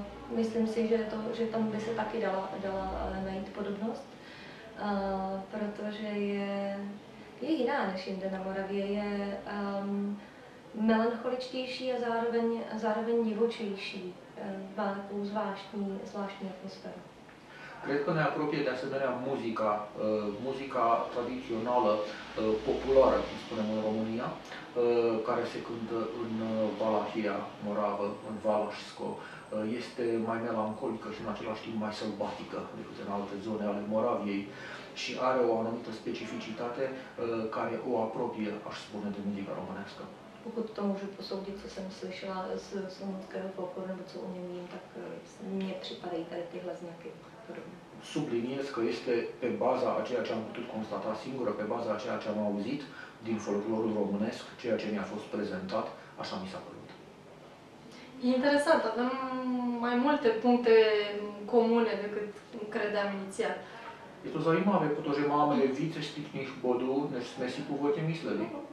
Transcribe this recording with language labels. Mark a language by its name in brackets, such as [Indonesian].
[Czech] Myslím si, že tam by se taky dala najít podobnost, protože je jiná než jinde na Moravě. Je melancholičtější a zároveň divočejší. Má takovou zvláštní atmosféru. [Romanian] Cred că ne apropie de asemenea muzica tradițională, populară, cum spunem în România, care se cântă în Valahia Moravă, în Valașsko, este mai melancolică și în același timp mai sălbatică decât în alte zone ale Moraviei și are o anumită specificitate care o apropie, aș spune, de muzica românească. [Czech] Pokud to můžu posoudit, co jsem slyšela z slovenského folkloru nebo co umím, tak mně připadají tady tyhle znaky. [Romanian] Subliniez că este pe baza a ceea ce am putut constata singură, pe baza a ceea ce am auzit din folclorul românesc, ceea ce mi-a fost prezentat, așa mi s-a părut. Interesant, avem mai multe puncte comune decât credeam inițial. [Czech] Je to zajímavé, protože máme více stykných bodů, než jsme si původně mysleli.